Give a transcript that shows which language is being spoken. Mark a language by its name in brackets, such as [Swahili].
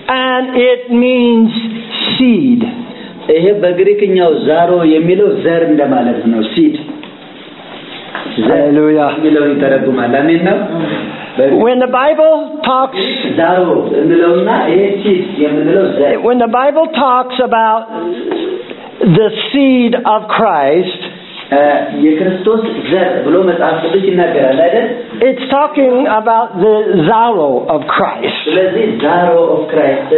[English] and it means seed [Amharic] ይሄ በግሪክኛው ዛሮ የሚለው ዘር እንደማለት ነው seed ሃሌሉያ የሚለው ይተረጉማል አሜን ነው [English] When the Bible talks [Amharic] ዛሮ እንደለውና ይሄ seed የምንለው ዘር [English] When the Bible talks about the seed of Christ [Amharic] የክርስቶስ ዘር ብሎ መጽሐፍ ቅዱስ ይናገራል አይደል? [English] It's talking about the zaro of Christ. [Amharic] ስለዚህ [English] zaro of Christ.